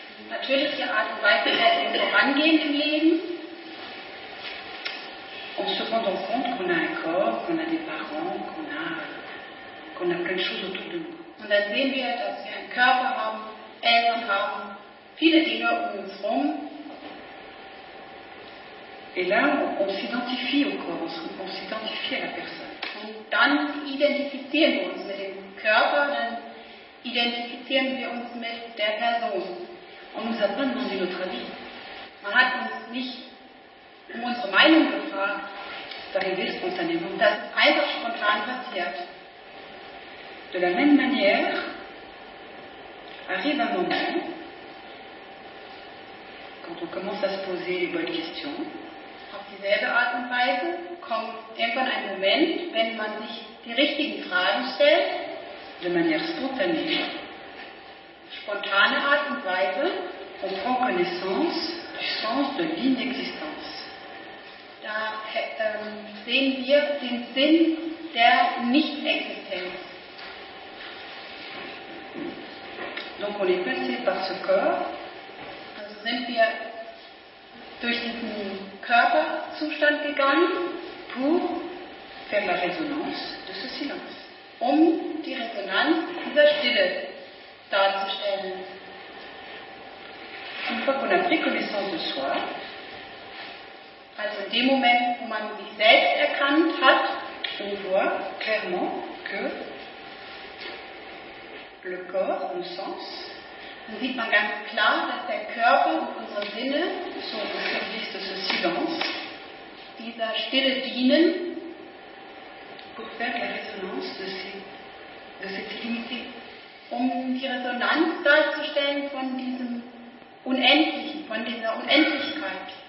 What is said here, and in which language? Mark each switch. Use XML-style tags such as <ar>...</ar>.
<de>Natürliche Art und Weise, wie wir vorangehen im Leben.</de> <fr>En se rendant compte qu'on a un corps, qu'on a des parents, qu'on a plein de choses autour de nous.</fr> <de>Und dann sehen wir, dass wir einen Körper haben, Eltern haben, viele Dinge um uns herum.</de> <fr>Et là, on s'identifie au corps, on s'identifie à la personne.</fr> <de>Und dann identifizieren wir uns mit dem Körper, dann identifizieren wir uns mit der Person.</de> <fr>On nous a pas demandé notre avis.</fr> <de>Man hat uns nicht um unsere Meinung gefragt.</de> <fr>D'arriver spontanément.</fr> <de>Das ist einfach spontan passiert.</de> <fr>De la même manière, arrive un moment, quand on commence à se poser les bonnes questions,</fr> <de>auf dieselbe Art und Weise kommt irgendwann ein Moment, wenn man sich die richtigen Fragen stellt,</de> <fr>de manière spontanée,</fr> <de>spontane Art und Weise,</de> <fr>on prend connaissance du sens de l'inexistence.</fr> <de>Da sehen wir den Sinn der Nicht-Existenz.</de> <fr>Donc on est passé par ce corps.</fr> <de>Also sind wir durch diesen Körperzustand gegangen,</de> <fr>pour faire la résonance de ce silence.</fr> <de>Um die Resonanz dieser Stille darzustellen.</de> <fr>Une fois qu'on a pris connaissance de soi,</fr> <de>also in dem Moment, wo man sich selbst erkannt hat,</de> <fr>on voit clairement que le corps, le sens,</fr> <de>dann sieht man ganz klar, dass der Körper und unsere Sinne</de> <fr>sont au service de ce silence,</fr> <de>dieser Stille dienen,</de> <fr>pour faire la résonance de cette limité.</fr> <de>Um die Resonanz darzustellen von diesem Unendlichen, von dieser Unendlichkeit.</de>